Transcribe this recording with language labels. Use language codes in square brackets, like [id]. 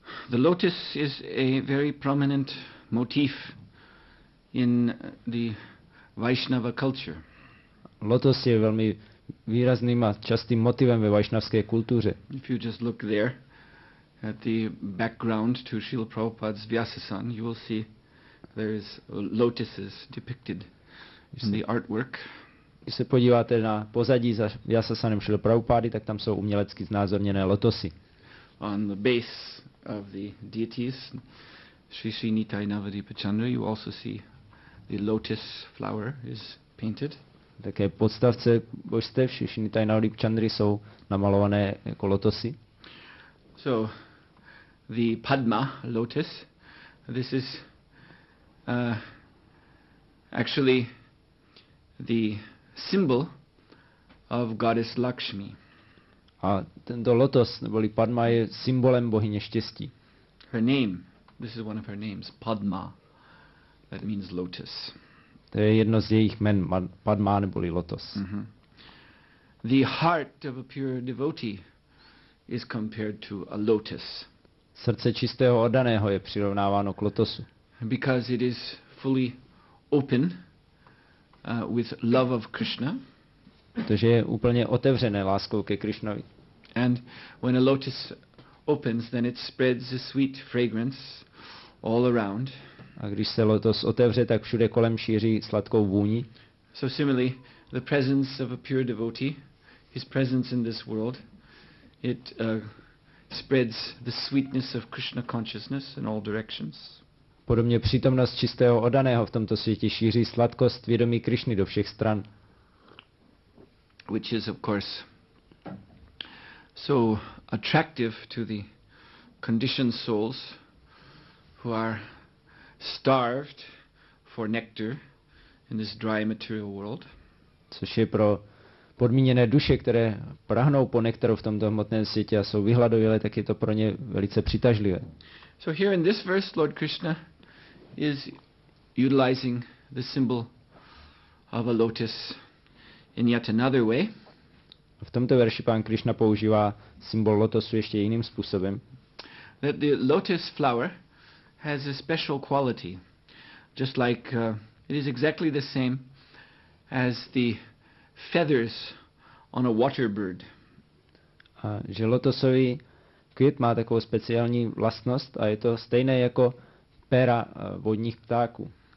[en] The lotus is a very prominent motif in the Vaishnava culture. [cs] Lotos je velmi výrazným a častým motivem ve vaishnavské kultuře. [en] If you just look there at the background to Srila Prabhupada's Vyasasan, you will see there is lotuses depicted in the artwork. [cs] Když se podíváte na pozadí za Vyasasanem Srila Prabhupády, tak tam jsou umělecky znázorněné lotosy. [en] On the base of the deities, Sri Sri Nitai Navadipa Chandra, you also see the lotus flower is painted. [cs] Také podstavce božstev Sri Sri Nitai Navadipa Chandra jsou namalované jako lotosy. [en] So the Padma lotus, this is actually the symbol of goddess Lakshmi. [cs] A tento lotos neboli Padma je symbolem bohyně štěstí. [en] Her name, this is one of her names, Padma, that means lotus. [cs] To je jedno z jejich jmen, Padma neboli lotos. [en] The heart of a pure devotee is compared to a lotus. [cs] Srdce čistého oddaného je přirovnáváno k lotosu. [en] Because it is fully open with love of Krishna. [cs] Protože je úplně otevřené láskou ke Krišnovi. [en] And when a lotus opens, then it spreads a sweet fragrance all around. [cs] A když se lotos otevře, tak všude kolem šíří sladkou vůni. [en] So similarly, the presence of a pure devotee, his presence in this world, it spreads the sweetness of Krishna consciousness in all directions. [cs] Podobně přítomnost čistého oddaného v tomto světě šíří sladkost vědomí Krišny do všech stran. [en] Which is of course so attractive to the conditioned souls who are starved for nectar in this dry material world. [cs] Což je pro podmíněné duše, které prahnou po nektaru v tomto hmotném světě a jsou vyhladovělé, tak je to pro ně velice přitažlivé. [en] So here in this verse Lord Krishna is utilizing the symbol of a lotus in yet another way. [cs] V tomto verši pán Krishna používá symbol lotosu ještě jiným způsobem. [en] That the lotus flower has a special quality, just like it is exactly the same as the feathers on a water bird. [cs] A že lotosový květ má takovou speciální vlastnost a je to stejné jako pera vodních ptáků.